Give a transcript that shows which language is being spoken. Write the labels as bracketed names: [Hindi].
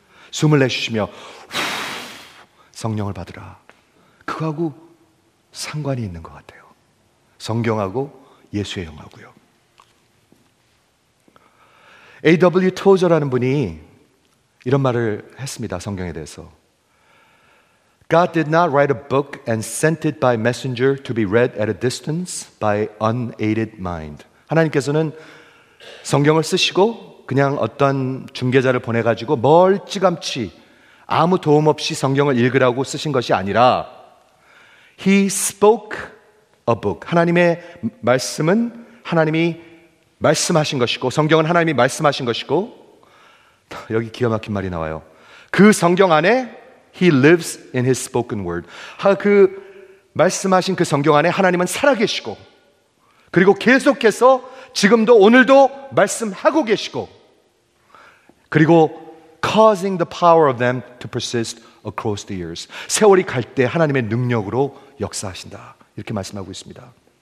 [Korean] 숨을 내쉬시며 성령을 받으라. 그거하고 상관이 있는 것 같아요. 성경하고 예수의 영하고요. [English] A.W. [Korean] Tozer라는 분이 이런 말을 했습니다. 성경에 대해서 [English] God did not write a book and sent it by messenger to be read at a distance by unaided mind. [Korean] 하나님께서는 성경을 쓰시고 그냥 어떤 중계자를 보내가지고 멀찌감치 아무 도움 없이 성경을 읽으라고 쓰신 것이 아니라 [English] He spoke a book. [Korean] 하나님의 말씀은 하나님이 말씀하신 것이고 성경은 하나님이 말씀하신 것이고 여기 기가 막힌 말이 나와요. 그 성경 안에 [English] He lives in his spoken word. [Korean] 그 말씀하신 그 성경 안에 하나님은 살아계시고 그리고 계속해서 지금도 오늘도 말씀하고 계시고 그리고 [English] causing the power of them to persist across the years. [Korean] 세월이 갈 때 하나님의 능력으로 역사하신다. 이렇게 말씀하고 있습니다.